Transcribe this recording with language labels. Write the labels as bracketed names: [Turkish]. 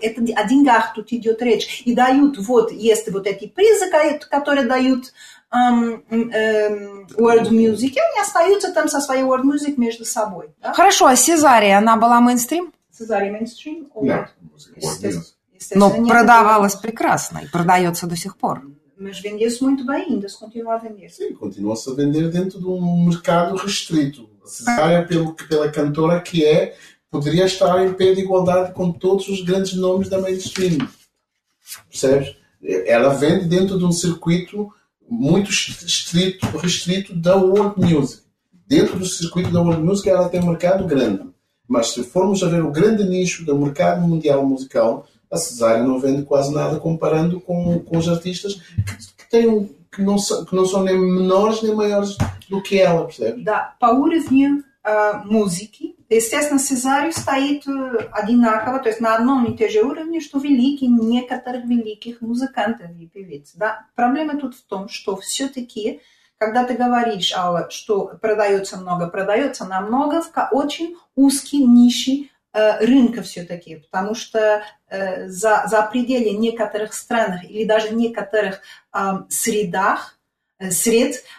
[Russian] Это о деньгах тут идет речь. И дают, вот, есть вот эти призы, которые дают World Music, и они остаются там со своей World Music между собой. Да? Хорошо, а Сезария, она была мейнстрим? Сезария мейнстрим? Нет. Но продавалась прекрасно и продается до сих пор. [Portuguese] Mas vendeu-se muito bem, ainda se continua a vender. Sim, continua-se a vender dentro de mercado restrito. A Cesária, pela cantora que é, poderia estar em pé de igualdade com todos os grandes nomes da mainstream. Percebes? Ela vende dentro de circuito muito restrito da World Music. Dentro do circuito da World Music ela tem um mercado grande. Mas se formos a ver o grande nicho do mercado mundial musical... A Cesária não vende quase nada comparando com os artistas que não são nem menores nem maiores do que ela, percebe? [Russian] Да, по уровню музыки, естественно, Cesária стоит одинаково, то есть на одном и те же уровне, что великие, некоторых великих музыкантов и певиц. Да? Проблема тут в том, что все-таки, когда ты говоришь, Алла, что продается намного в очень узкий нищий рынка все-таки, потому что за пределы некоторых стран или даже некоторых средах, сред,